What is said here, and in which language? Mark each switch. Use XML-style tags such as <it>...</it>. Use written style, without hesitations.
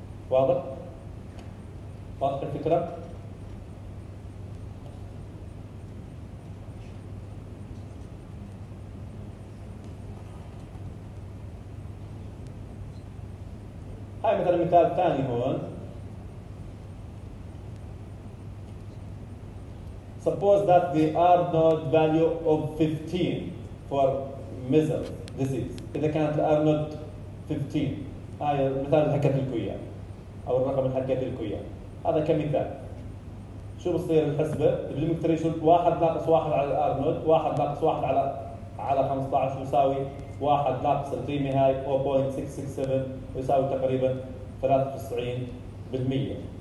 <ar>واضح؟ واضح الفكره؟ هاي مثلا مثال ثاني هون.</ar> <en>Suppose that the R node value of 15 for measles disease.</en> <ar>إذا كانت R node 15. هاي مثال حكيت لكم إياه. أو الرقم اللي حكيت لكم إياه. هذا كمثال. شو بصير الحسبة؟ الإبيديميك ثريشولد 1 ناقص 1 على R node، 1 ناقص 1 على 15 يساوي 1 ناقص القيمة هاي 0.667 يساوي تقريبا 93%.</ar>